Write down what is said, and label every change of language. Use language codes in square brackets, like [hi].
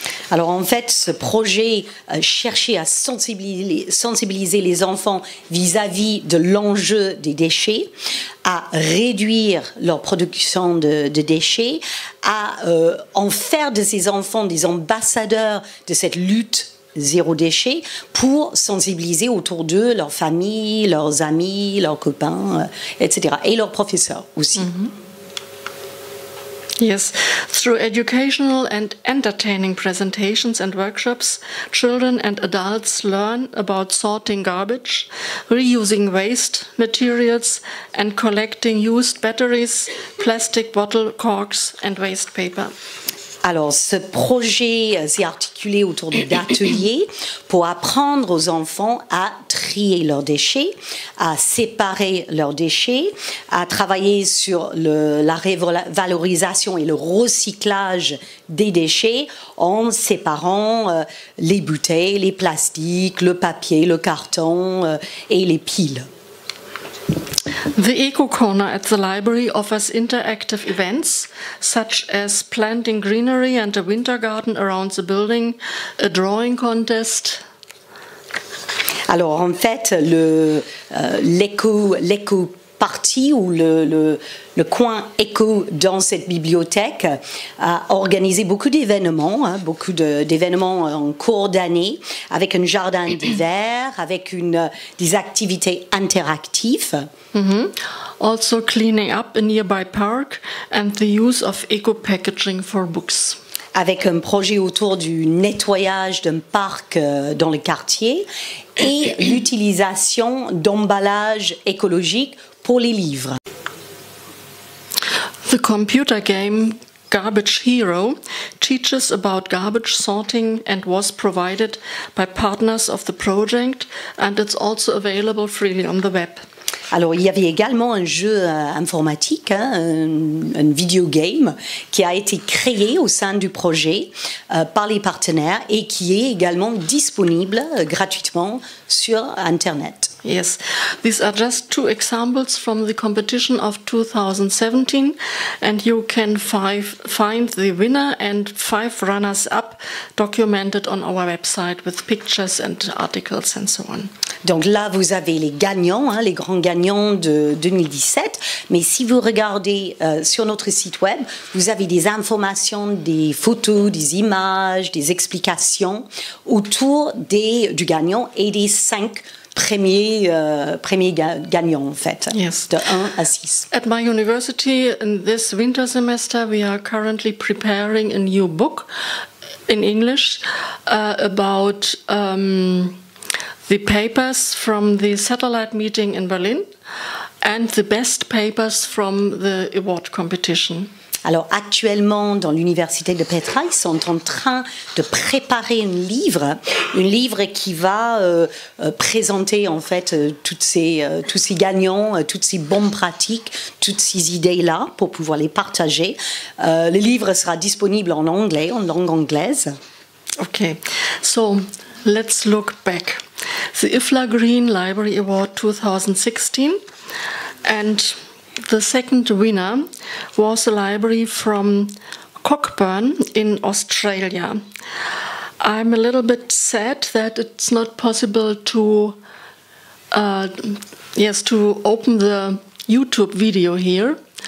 [fr] Alors, en fait, ce projet cherchait à sensibiliser les enfants vis-à-vis de l'enjeu des déchets, à réduire leur production de déchets, à en faire de ces enfants des ambassadeurs de cette lutte zéro déchet pour sensibiliser autour d'eux leur famille, leurs amis, leurs copains, etc. et leurs professeurs aussi. Mm-hmm. [en] Yes, through educational and entertaining presentations and workshops, children and adults learn about sorting garbage, reusing waste materials, and collecting used batteries, plastic bottle corks, and waste paper. [fr] Alors, ce projet s'est articulé autour d'ateliers pour apprendre aux enfants à trier leurs déchets, à séparer leurs déchets, à travailler sur la valorisation et le recyclage des déchets en séparant les bouteilles, les plastiques, le papier, le carton et les piles. [en] The Eco Corner at the library offers interactive events such as planting greenery and a winter garden around the building, a drawing contest. [fr] Alors, en fait, l'éco partie ou le coin éco dans cette bibliothèque a organisé beaucoup d'événements, hein, beaucoup d'événements en cours d'année, avec un jardin d'hiver, avec des activités interactives. Mm-hmm. [en] Also cleaning up a nearby park and the use of eco packaging for books. [fr] Avec un projet autour du nettoyage d'un parc dans le quartier et l'utilisation d'emballages écologiques pour les livres. [en] The computer game Garbage Hero teaches about garbage sorting and was provided by partners of the project and it's also available freely on the web. [fr] Alors, il y avait également un jeu informatique, hein, un [en] video game, [fr] qui a été créé au sein du projet par les partenaires et qui est également disponible gratuitement sur Internet. [en] yes. These are just two examples from the competition of 2017, and you can find the winner and five runners-up documented on our website with pictures and articles and so on. [fr] Donc là, vous avez les gagnants, hein, les grands gagnants de 2017. Mais si vous regardez sur notre site web, vous avez des informations, des photos, des images, des explications autour du gagnant et des cinq premiers gagnants, en fait, [en] yes. [fr] De 1 à 6. [en] At my university, in this winter semester, we are currently preparing a new book in English about the papers from the satellite meeting in Berlin and the best papers from the award competition. [fr] Alors, actuellement, dans l'université de Petra, ils sont en train de préparer un livre qui va présenter, en fait, tous ces gagnants, toutes ces bonnes pratiques, toutes ces idées-là, pour pouvoir les partager. Le livre sera disponible en anglais, en langue anglaise. [en] OK. So, let's look back. The IFLA Green Library Award 2016, and the second winner was a library from Cockburn in Australia. I'm a little bit sad that it's not possible to open the YouTube video here.